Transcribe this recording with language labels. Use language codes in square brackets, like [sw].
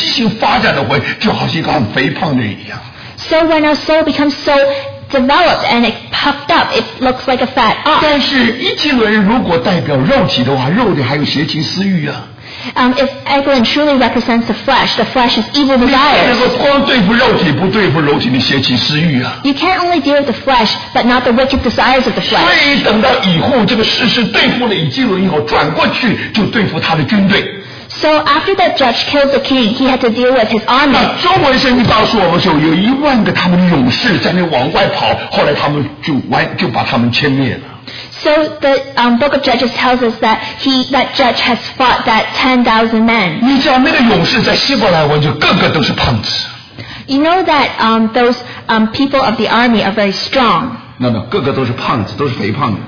[zh] 圣经里面来形容一个膨胀的魂，一个自我膨胀的魂，一个畸形发展的魂，就好像一个很肥胖的人一样。 [en] So when our soul becomes so developed and it puffed up, it looks like a fat ox. [zh] 但是伊基伦如果代表肉体的话，肉体还有邪情私欲啊。 [en] If Eglon truly represents the flesh is evil desires. You can't only deal with the flesh, but not the wicked desires of the flesh. So after that judge killed the king, he had to deal with his army. [zh] 中文圣经告诉我们说，有一万个他们的勇士在那往外跑，后来他们就把他们歼灭了。 [en] So the book of Judges tells us that that judge has fought that 10,000 men. [zh] 你知道那个勇士在希伯来文就个个都是胖子。 [en] You know that those people of the army are very strong. [zh] 那么个个都是胖子，都是肥胖的。